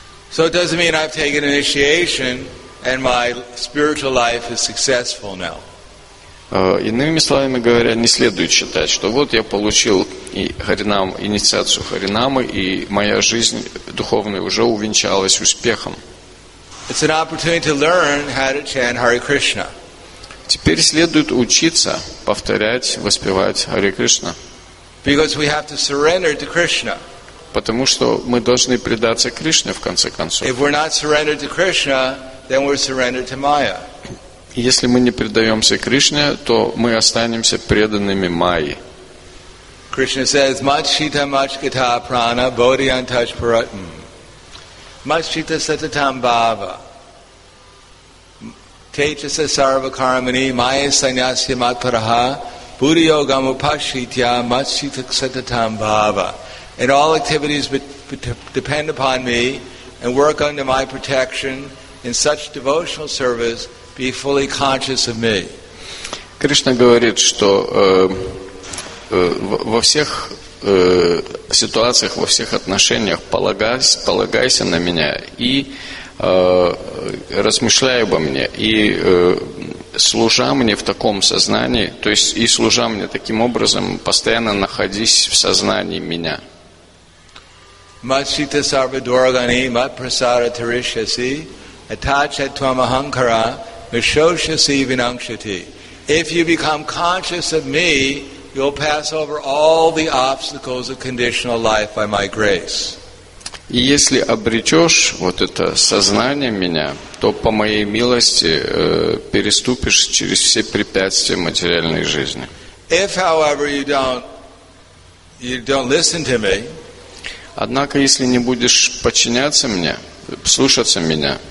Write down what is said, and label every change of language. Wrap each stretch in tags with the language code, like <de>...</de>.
<en>So it doesn't mean I've taken initiation and my spiritual life is successful now.</en> <ru>Иными словами говоря, не следует считать, что вот я получил и Харинам, инициацию Харинамы, и моя жизнь духовная уже увенчалась успехом.</ru> <en>It's an opportunity to learn how to chant Hare Krishna.</en> <ru>Теперь следует учиться повторять, воспевать Hare Krishna.</ru> <en>Because we have to surrender to Krishna.</en> <ru>Потому что мы должны предаться Кришне в конце концов.</ru> <en>If we're not surrendered to Krishna, then we're surrendered to Maya.</en> <ru>Если мы не предаемся Кришне, то мы останемся преданными Майе.</ru> <en>Krishna says,</en> <sa>Machita Machita Prana Bodhiantash Paratam. Machita Satatam Bhava. Techasa Sarva Karmani Maya Sanyasya Matparaha Buddhiyogamupashitya Machita Satatam Bhava.</sa> <en>And all activities depend upon me and work under my protection in such devotional service, be fully conscious of me.</en> <ru>Кришна говорит, что во всех ситуациях, во всех отношениях полагайся на меня и размышляй обо мне и служа мне в таком сознании, то есть и служа мне таким образом, постоянно находись в сознании меня.</ru> <sa>Матсита сарвадоргани матпрасада таришаси атачатвам аханкара мишошаси винамшати.</sa> <en>If you become conscious of me, you'll pass over all the obstacles of conditional life by my grace.</en> <ru>И если обретешь вот это сознание меня, то по моей милости переступишь через все препятствия материальной жизни.</ru> <en>If, however, you don't listen to me,</en> <ru>однако, если не будешь подчиняться мне, слушаться меня,</ru>